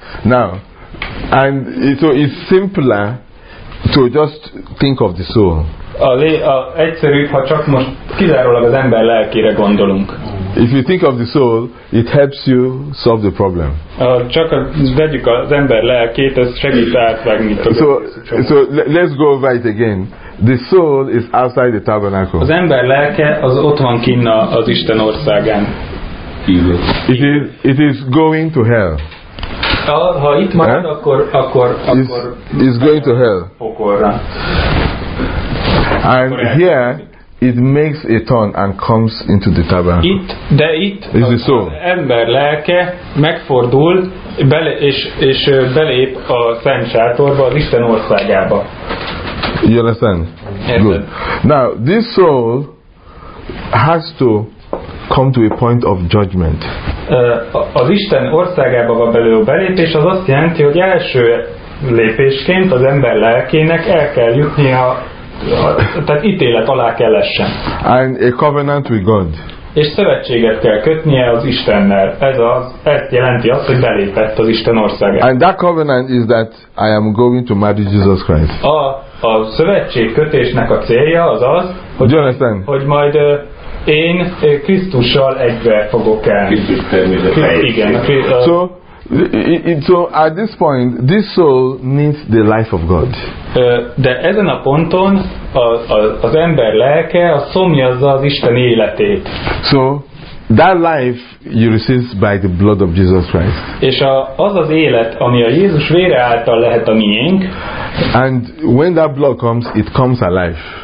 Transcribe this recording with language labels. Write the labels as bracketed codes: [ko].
[en] Now, and so it's simpler to just think of the soul. [hu] Egyszerűbb, ha csak most kizárólag az ember lelkére gondolunk. [en] If you think of the soul, it helps you solve the problem. [hu] Csak vegyük az ember lelkét, ez segít átvágni. [en] So let's go over it again. The soul is outside the tabernacle. [hu] Az ember lelke az ott van kinn az Isten országán. [en] It is going to hell. [hu] Ha itt marad, akkor [en] is going to hell. [hu] Pokorra. [en] And here it makes a turn and comes into the tabernacle. [hu] Itt az ember lelke megfordul és belép a szent sátorba, az Isten országába. [en] You understand? [hu] Érted. [en] Good. Now this soul has to come to a point of judgment. [hu] Az Isten országába van belő a belépés, az azt jelenti, hogy első lépésként az ember lelkének el kell jutni a tehát ítélet alá kell essen. [en] And a covenant with God. [hu] És szövetséget kell kötnie az Istennel. Ez jelenti azt, hogy belépett az Isten országába. [en] And that covenant is that I am going to marry Jesus Christ. [hu] A szövetség kötésnek a célja az az, hogy majd én Krisztussal egybe fogok elni. Krisztus igen. [en] So So at this point, this soul needs the life of God. [hu] De ezen a ponton az ember lelke a szomjazza az Isten életét. [en] So that life you receive by the blood of Jesus Christ. [hu] És az az élet, ami a Jézus vére által lehet a miénk. [en] And when that blood comes, it comes alive.